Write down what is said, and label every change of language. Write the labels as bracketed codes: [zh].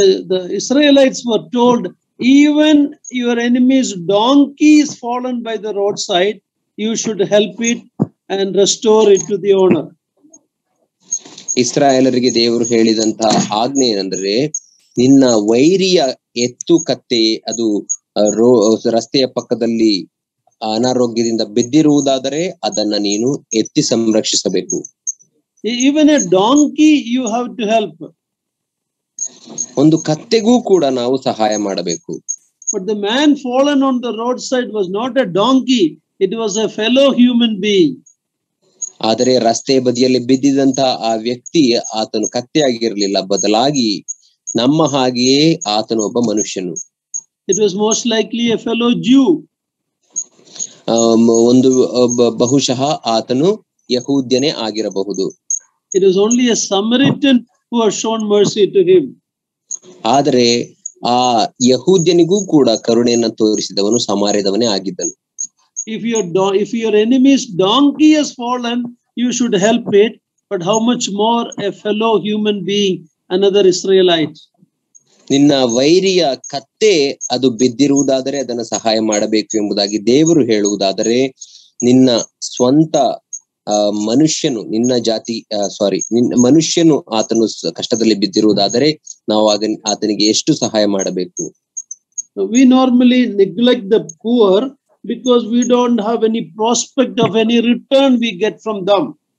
[en] The Israelites were told, even your enemy's donkey is fallen by the roadside, you should help it and restore it to the owner. [kn] ಇಸ್ರಾಯೇಲರಿಗೆ ದೇವರು ಹೇಳಿದಂತಹ ಆಜ್ಞೆ ಏನಂದ್ರೆ, ನಿನ್ನ ವೈರಿಯ ಎತ್ತು ಕತ್ತೆ ಅದು ರಸ್ತೆಯ ಪಕ್ಕದಲ್ಲಿ ಅನಾರೋಗ್ಯದಿಂದ ಬಿದ್ದಿರುವುದಾದರೆ ಅದನ್ನ ನೀನು ಎತ್ತಿ ಸಂರಕ್ಷಿಸಬೇಕು. [en] Even a donkey you have to help. [kn] ಒಂದು ಕತ್ತೆಗೂ ಕೂಡ ನಾವು ಸಹಾಯ ಮಾಡಬೇಕು. [en] But the man fallen on the roadside was not a donkey, it was a fellow human being. [kn] ಆದರೆ ರಸ್ತೆ ಬದಿಯಲ್ಲಿ ಬಿದ್ದಿದ್ದಂತಹ ಆ ವ್ಯಕ್ತಿ ಆತನು ಕತ್ತೆಯಾಗಿರಲಿಲ್ಲ, ಬದಲಾಗಿ ನಮ್ಮ ಹಾಗೆಯೇ ಆತನು ಒಬ್ಬ ಮನುಷ್ಯನು. [en] It was most likely a fellow Jew. [kn] ಒಂದು ಬಹುಶಃ ಆತನು ಯಹೂದ್ಯನೇ ಆಗಿರಬಹುದು. [en] It was only a Samaritan who has shown mercy to him. [kn] ಆದರೆ ಆ ಯಹೂದ್ಯನಿಗೂ ಕೂಡ ಕರುಣೆಯನ್ನು ತೋರಿಸಿದವನು ಸಮಾರ್ಯದವನೇ ಆಗಿದ್ದನು. [en] If your enemy's donkey has fallen, you should help it, but how much more a fellow human being, another Israelite. [kn] ನಿನ್ನ ವೈರಿಯ ಕತ್ತೆ ಅದು ಬಿದ್ದಿರುವುದಾದರೆ ಅದನ್ನ ಸಹಾಯ ಮಾಡಬೇಕು ಎಂಬುದಾಗಿ ದೇವರು ಹೇಳುವುದಾದರೆ ನಿನ್ನ ಸ್ವಂತ ಮನುಷ್ಯನು ನಿನ್ನ ಜಾತಿ ಸಾರಿ ನಿನ್ನ ಮನುಷ್ಯನು ಆತನು ಕಷ್ಟದಲ್ಲಿ ಬಿದ್ದಿರುವುದಾದರೆ ನಾವು ಆತನಿಗೆ ಎಷ್ಟು ಸಹಾಯ ಮಾಡಬೇಕು? [en] We normally neglect the poor because we don't have any prospect of any return we get from them.